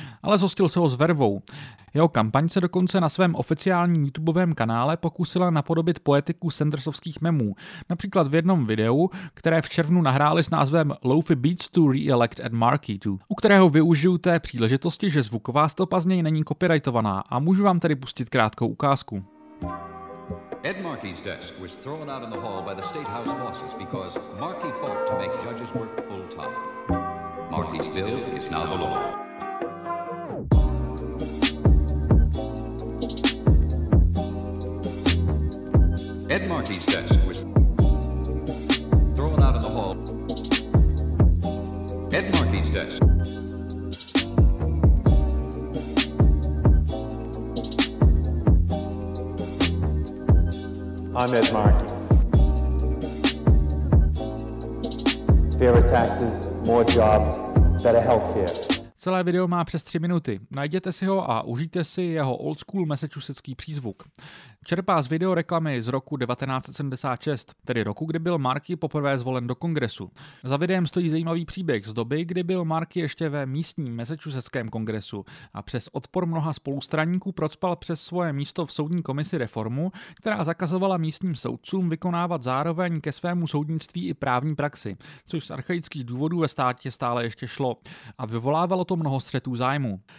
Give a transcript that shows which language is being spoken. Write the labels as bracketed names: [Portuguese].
[Czech] Ale zhostil se ho s vervou. Jeho kampaň se dokonce na svém oficiálním YouTubeovém kanále pokusila napodobit poetiku sandersovských memů. Například v jednom videu, které v červnu nahráli s názvem Loafy Beats to Re-elect Ed Markey to, u kterého využiju té příležitosti, že zvuková stopa z něj není copyrightovaná a můžu vám tedy pustit krátkou ukázku. [English] Ed Markey's desk was thrown out in the hall by the State House bosses because Markey fought to make judges work full time. Markey's bill is now the law. Ed Markey's desk was thrown out in the hall. Ed Markey's desk. I'm Ed Markey. Fewer taxes, more jobs, better healthcare. [Czech] Celé video má přes 3 minuty. Najděte si ho a užijte si jeho old school massachusettský přízvuk. Čerpá z videoreklamy z roku 1976, tedy roku, kdy byl Marky poprvé zvolen do kongresu. Za videem stojí zajímavý příběh z doby, kdy byl Marky ještě ve místním massachusettském kongresu a přes odpor mnoha spolustraníků procpal přes svoje místo v soudní komisi reformu, která zakazovala místním soudcům vykonávat zároveň ke svému soudnictví i právní praxi, což z archaických důvodů ve státě stále ještě šlo a vyvolávalo to mnoho střetů zájmu.